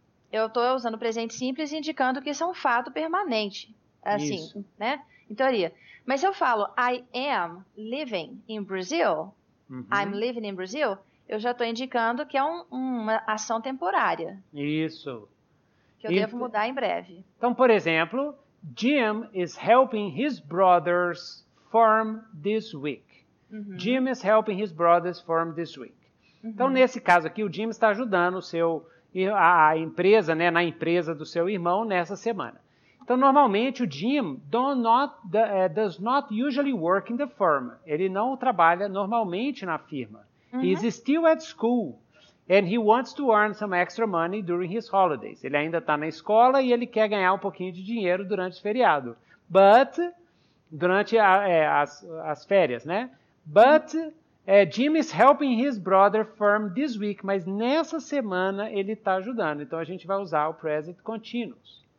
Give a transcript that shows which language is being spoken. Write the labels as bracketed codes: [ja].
[pt] Eu estou usando o presente simples indicando que isso é um fato permanente. Assim, isso. né? Em teoria. Mas se eu falo, [en] I am living in Brazil, uhum. I'm living in Brazil, [pt] eu já estou indicando que é uma ação temporária. Isso. Que eu devo mudar em breve. Então, por exemplo, [en] Jim is helping his brothers farm this week. Uhum. Jim is helping his brothers farm this week. Uhum. [pt] Então, nesse caso aqui, o Jim está ajudando o seu... E a empresa, né, na empresa do seu irmão nessa semana. Então, normalmente, o [en] Jim does not usually work in the firm. [pt] Ele não trabalha normalmente na firma. Uhum. [en] He's still at school. And he wants to earn some extra money during his holidays. [pt] Ele ainda está na escola e ele quer ganhar um pouquinho de dinheiro durante o feriado. But, durante as férias, né? But... Uhum. [en] Jim is helping his brother firm this week, [pt] mas nessa semana ele está ajudando. Então, a gente vai usar o present continuous.